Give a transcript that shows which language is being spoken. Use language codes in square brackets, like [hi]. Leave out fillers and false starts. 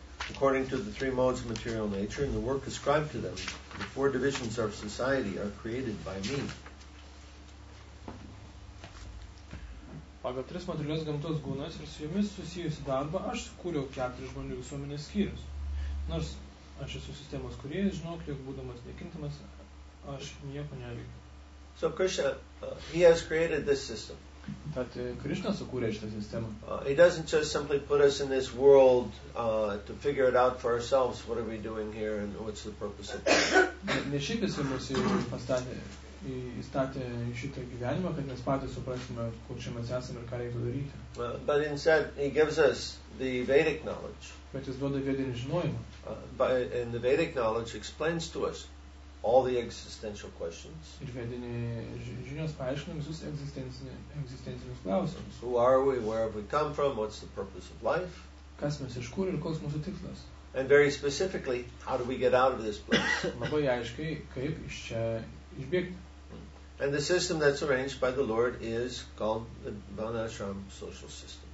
[en] According to the three modes of material nature and the work ascribed to them, the four divisions of society are created by me. [lt] Pagal tris materialios gamtos gūnas ir su jomis susijusi darbą, aš sukūriau keturis žmonių visuomenės skyrius. Nors aš esu sistemos kūrėjas, žinok, jog būdamas nekintamas, aš nieko neveikiu. [en] So Krishna, he has created this system. [lt] Tad Krishna sukūrė šitą sistemą. [en] He doesn't just simply put us in this world to figure it out for ourselves. What are we doing here and what's the purpose of it? [lt] Ne šiaip jis mus įstatė į šitą gyvenimą, kad mes patys suprastume, kur čia mes esam ir ką reikia daryti. [en] But instead, he gives us the Vedic knowledge. [lt] Bet jis duoda vedinį žinojimą. [en] And the Vedic knowledge explains to us all the existential questions. [lt] Ir vedinė žinios paaiškina visus egzistencinius klausimus. [en] Who are we? Where have we come from? What's the purpose of life? [lt] Kas mes, iš kur ir koks mūsų tikslas? [en] And very specifically, how do we get out of this place? [lt] Labai aiškiai, kaip iš čia išbėgti. [en] And the system that's arranged by the Lord is called the Varnashram social system.